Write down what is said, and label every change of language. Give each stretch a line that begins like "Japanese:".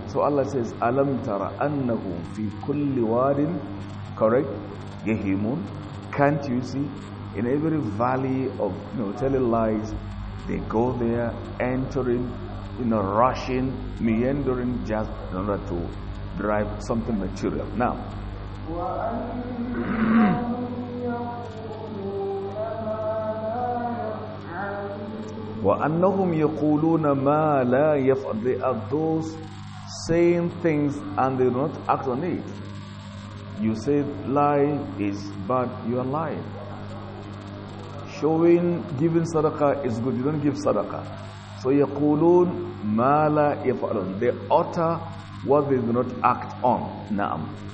English: So Allah says,
Arabic: أَلَمْ تَرَ أَنَّهُمْ فِي كُلِّ وَادٍ.
English: Correct?
Arabic: يَهِيمُونَ.
English: Can't you see? in every valley of, you know, telling lies, they go there, entering, you know, rushing, meandering, just in order to drive something material.
Arabic: Now, وَأَنَّهُمْ يَقُولُونَ مَا لَا يَفْعَلُ.
English: They are those saying things and they do not act on it. You say lie is bad, you are lying. Showing, giving sadaqah is good, you don't give sadaqah.
Arabic: So يقولون ما لا يفعلون.
English: They utter what they do not act on. Naam.